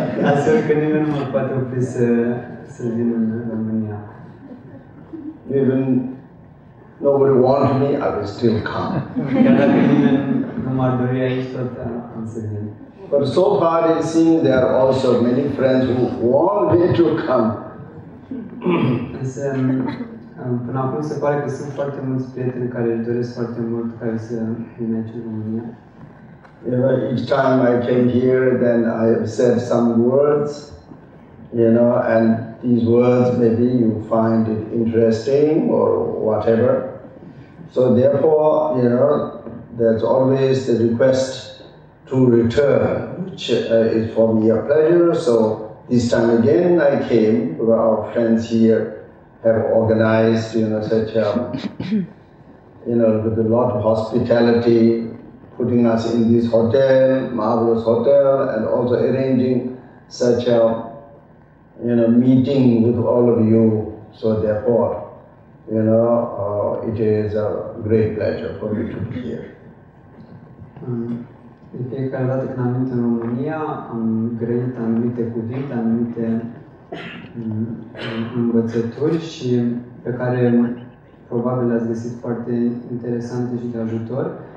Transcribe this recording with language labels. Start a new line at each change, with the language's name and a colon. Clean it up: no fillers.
Romanian: Astfel că nimeni nu mă poate opri să vin în România.
English: Even nobody wants me, I will still come.
Romanian: Chiar dacă nimeni nu m-ar dori aici, tot am să vin.
English: But so far it seems there are also many friends who want me to come.
Romanian: Însă, până acum se pare că sunt foarte mulți prieteni care își doresc foarte mult ca să vin aici în România.
English: You know, each time I came here, then I have said some words, you know, and these words maybe you find it interesting or whatever. So therefore, you know, there's always the request to return, which is for me a pleasure. So this time again I came, our friends here have organized, you know, such a, you know, with a lot of hospitality, putting us in this hotel, marvelous hotel, and also arranging such a, you know, meeting with all of you. So therefore, you know, it is a great pleasure for me to be here.
Romanian: De fiecare dată când am venit în România, am grăit anumite cuvinte, anumite învățături și pe care probabil le-ați găsit foarte interesante și de ajutor.